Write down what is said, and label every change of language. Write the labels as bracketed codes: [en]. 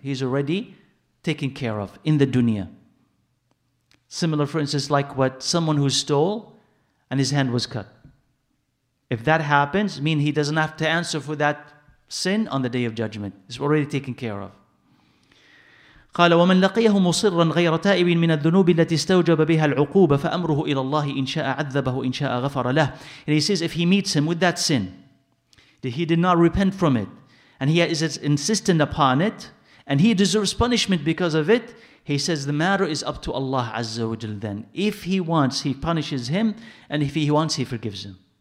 [en] He's already taken care of in the dunya. Similar, for instance, like what someone who stole and his hand was cut. If that happens, mean he doesn't have to answer for that sin on the Day of Judgment. It's already taken care of. [ar] قال ومن لقيه مصرا غير تائب من الذنوب التي استوجب بها العقوبة فأمره إلى الله إن شاء عذبه إن شاء غفر له. [en] And he says, if he meets him with that sin, that he did not repent from it, and he is insistent upon it, and he deserves punishment because of it, he says, the matter is up to Allah Azza wa Jal then. If he wants, he punishes him, and if he wants, he forgives him.